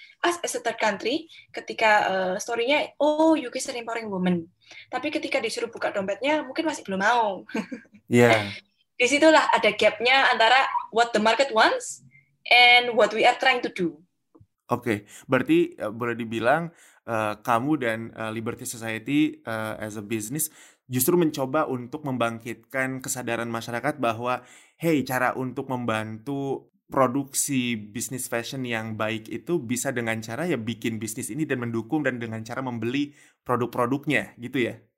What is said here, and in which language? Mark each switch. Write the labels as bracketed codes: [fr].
[en] As a third country, [id] ketika story-nya, [en] oh, UK is an empowering woman. [id] Tapi ketika disuruh buka dompetnya, mungkin masih belum mau. Disitulah ada gap-nya antara [en] what the market wants and what we are trying to do. Okay. [id] Berarti boleh dibilang kamu dan Liberty Society [en] as a business [id] justru mencoba untuk membangkitkan kesadaran masyarakat bahwa hey, cara untuk membantu produksi bisnis fashion yang baik itu bisa dengan cara ya bikin bisnis ini dan mendukung dan dengan cara membeli produk-produknya, gitu ya?